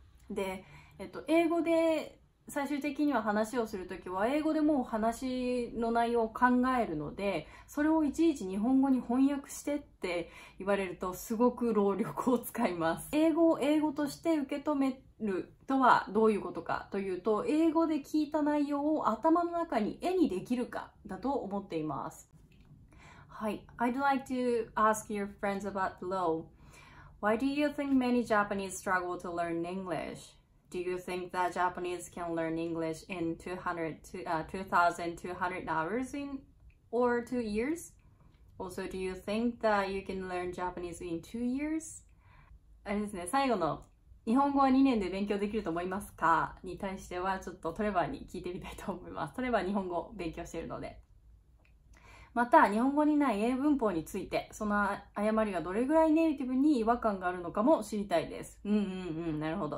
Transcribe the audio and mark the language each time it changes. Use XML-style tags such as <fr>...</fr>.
<ja>で、英語で最終的には話をするときは英語でもう話の内容を考えるので、それをいちいち日本語に翻訳してって言われるとすごく労力を使います。英語を英語として受け止めるとはどういうことかというと、英語で聞いた内容を頭の中に絵にできるかだと思っています。</ja> <en>はい、 I'd like to ask your friends about the law. Why do you think many Japanese struggle to learn English? Do you think that Japanese can learn English in 2,200 hours in or 2 years? Also, do you think that you can learn Japanese in 2 years?</en> <ja>あれですね、最後の日本語は2年で勉強できると思いますかに対してはちょっとトレバーに聞いてみたいと思います。トレバー日本語を勉強しているので。また日本語にない英文法について、その誤りがどれぐらいネイティブに違和感があるのかも知りたいです。なるほど。</ja>